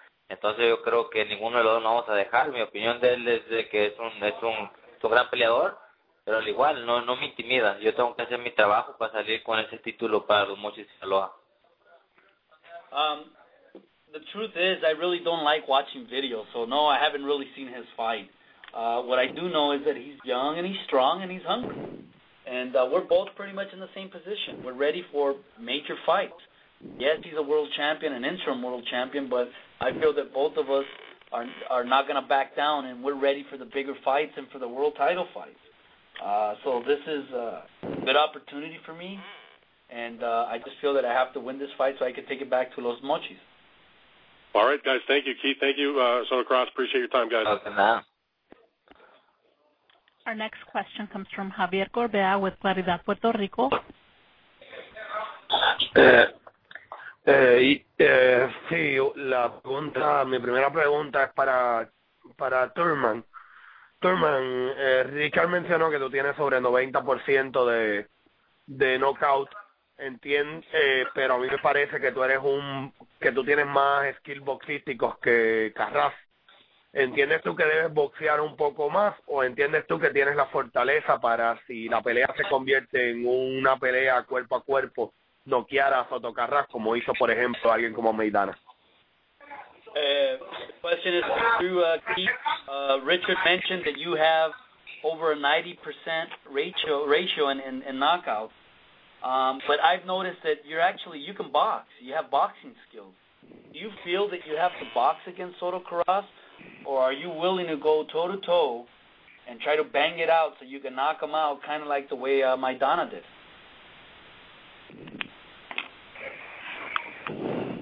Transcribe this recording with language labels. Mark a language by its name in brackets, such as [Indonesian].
[Spanish] Entonces yo creo que ninguno de los dos no vamos a dejar. Mi opinión de él es de que es un gran peleador, pero al igual no me intimida. Yo tengo que hacer mi trabajo para salir con ese título para los Mochis de Sinaloa. [English] The truth is, I really don't like watching videos, so no, I haven't really seen his fight. What I do know is that he's young and he's strong and he's hungry, and we're both pretty much in the same position. We're ready for major fights. Yes, he's a world champion, an interim world champion, but I feel that both of us are not going to back down, and we're ready for the bigger fights and for the world title fights. So this is a good opportunity for me, and I just feel that I have to win this fight so I can take it back to Los Mochis. All right, guys. Thank you, Keith. Thank you, Sona Cross. Appreciate your time, guys. Our next question comes from Javier Gorbea with Claridad Puerto Rico. [Spanish] Sí, la pregunta, mi primera pregunta es para Thurman. Thurman, Richard mencionó que tú tienes sobre 90% de knockout, pero a mí me parece que tú tienes más skills boxísticos que Carras. ¿Entiendes tú que debes boxear un poco más o entiendes tú que tienes la fortaleza para, si la pelea se convierte en una pelea cuerpo a cuerpo, noquear a Soto Carras, como hizo, por ejemplo, alguien como Maidana? [English] Question is through Keith. Richard mentioned that you have over a 90% ratio in knockouts. But I've noticed that you can box. You have boxing skills. Do you feel that you have to box against Soto Carras, or are you willing to go toe to toe and try to bang it out so you can knock him out, kind of like the way Maidana did?